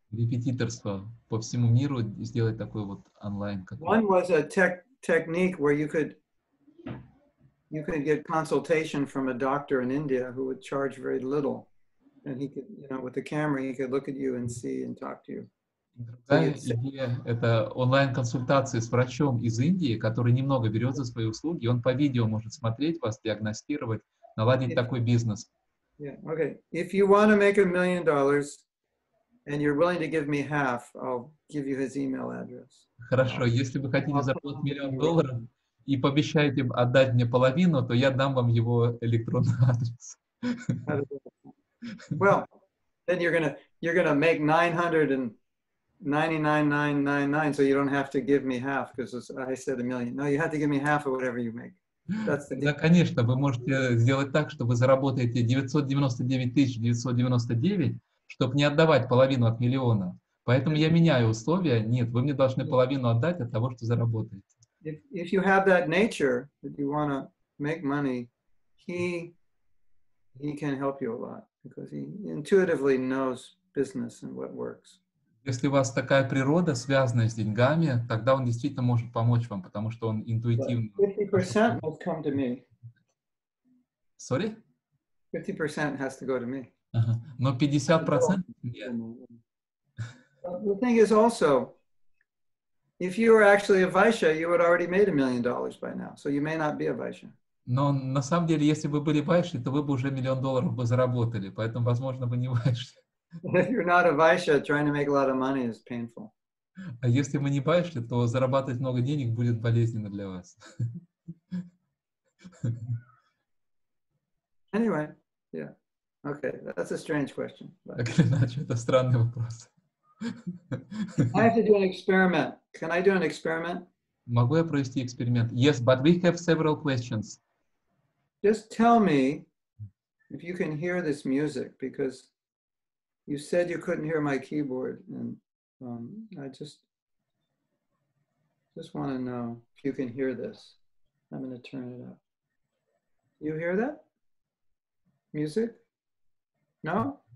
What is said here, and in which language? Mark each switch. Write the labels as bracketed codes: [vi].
[ru] Репетиторство по всему миру сделать такой вот онлайн. [en] One was a technique where you could get consultation from a doctor in India who would charge very little. And he could, you know, with the camera, he could look at you and see and talk to you. [ru] Другая идея — это онлайн-консультации с врачом из Индии, который немного берет за свои услуги, он по видео может смотреть вас, диагностировать, наладить такой бизнес. [en] Yeah, okay. If you want to make $1 million and you're willing to give me half, I'll give you his email address. [ru] Хорошо, если вы хотите заработать $1 million и пообещаете отдать мне половину, то я дам вам его электронный адрес. [en] Well, then you're gonna make 999999, so you don't have to give me half because I said $1 million. No, you have to give me half of whatever you make. That's the. [ru] Да, конечно, вы можете сделать так, чтобы заработаете 999999, чтобы не отдавать половину от миллиона. Поэтому я меняю условия. Нет, вы мне должны половину отдать от того, что заработаете. [en] If you have that nature that you want to make money, he can help you a lot. Because he intuitively knows business and what works. [ru] Если у вас такая природа, связанная с деньгами, тогда он действительно может помочь вам, потому что он интуитивно... [en] 50% will come to me. Sorry? 50% has to go to me. [ru] Uh-huh. Но 50%... Нет. [en] The thing is also, if you were actually a Vaishya, you would already made $1 million by now, so you may not be a Vaishya. [ru] Но на самом деле, если бы вы были Vaishya, то вы бы уже $1 million бы заработали, поэтому, возможно, вы не Vaishya. [en] If you're not a Vaishya, trying to make a lot of money is painful. [ru] А если вы не Vaishya, то зарабатывать много денег будет болезненно для вас. [en] Anyway, yeah. Okay, that's a strange question. [ru] Так или иначе, это странный вопрос. [en] I have to do an experiment. Can I do an experiment? [ru] Могу я провести эксперимент? [en] Yes, but we have several questions. Just tell me if you can hear this music, because you said you couldn't hear my keyboard, and I just want to know if you can hear this. I'm going to turn it up. You hear that? Music? No?